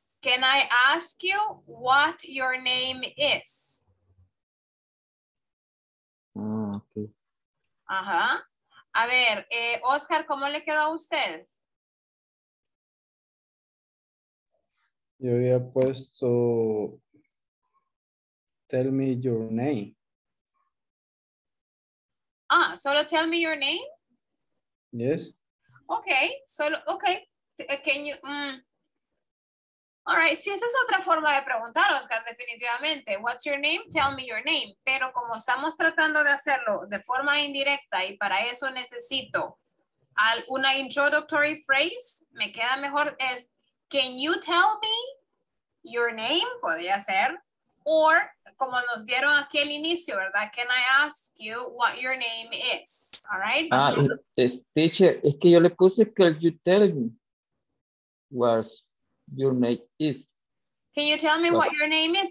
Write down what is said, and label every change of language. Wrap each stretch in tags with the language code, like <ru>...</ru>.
<en>Can I ask you what your name is? Ah, ok.</en> <es>Ajá. A ver, Oscar, ¿cómo le quedó a usted? Yo había puesto,</es> <en>tell me your name. Ah,</en> <es>solo</es> <en>tell me your name? Yes. Okay, solo, okay. Can you, all right,</en> <es>si esa es otra forma de preguntar, Oscar, definitivamente.</es> <en>What's your name? Tell me your name.</en> <es>Pero como estamos tratando de hacerlo de forma indirecta y para eso necesito una introductory phrase, me queda mejor es,</es> <en>can you tell me your name?</en> <es>Podría ser. Or, como nos dieron aquí al inicio, ¿verdad?</es> <en>Can I ask you what your name is? All right? Ah, teacher,</en> <es>es que yo le puse,</es> <en>can you tell me what your name is? Can you tell me what your name is?</en>